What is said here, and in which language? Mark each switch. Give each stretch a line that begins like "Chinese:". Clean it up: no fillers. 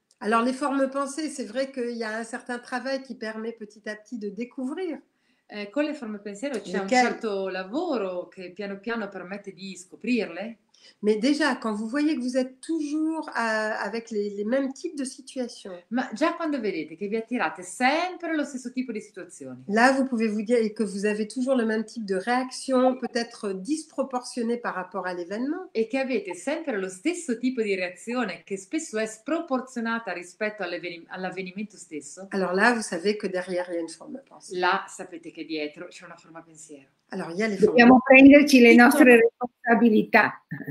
French: Alors les formes pensées, c'est vrai qu'il y a un certain travail qui permet petit à petit de découvrir.
Italian: Con le forme pensiero c'è un certo lavoro che piano piano permette di scoprirle.
French: Mais déjà, quand vous voyez que vous êtes toujours avec les mêmes types de situations,
Italian: ma già quando vedete che vi attirate sempre lo stesso tipo di situazioni,
French: là vous pouvez vous dire que vous avez toujours le même type de réaction, peut-être disproportionnée par rapport à l'événement,
Italian: e che avete sempre lo stesso tipo di reazione che spesso è sproporzionata rispetto all'avvenimento stesso.
French: Alors là, vous savez que derrière il y a une forme pensée.
Italian: Là, sapete che dietro c'è una forma pensiero.
French: Alors, il y a les
Italian: dobbiamo
French: formes.
Italian: Prenderci le nostre responsabilità.